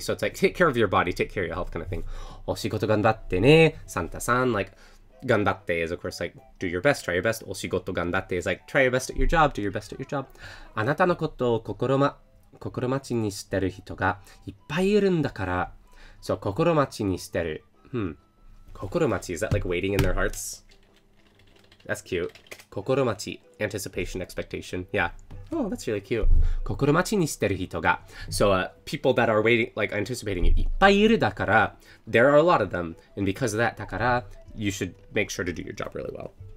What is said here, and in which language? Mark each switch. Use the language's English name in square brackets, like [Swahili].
[English] So it's like, take care of your body, take care of your health kind of thing. [Japanese] お仕事頑張ってね、サンタさん。 [English] Like, 頑張って is of course like, do your best, try your best. お仕事頑張って is like, try your best at your job, do your best at your job. [Japanese] あなたのことを心待ちにしてる人がいっぱいいるんだから。そう、心待ちにしてる。 [English] 心待ち is that like waiting in their hearts? That's cute. [Japanese] 心待ち。 [English] Anticipation, expectation. Yeah. Oh, that's really cute. [Japanese] 心待ちにしてる人が。 [English] So, people that are waiting, like, anticipating you, いっぱいいるだから、 there are a lot of them, and because of that, だから、you should make sure to do your job really well.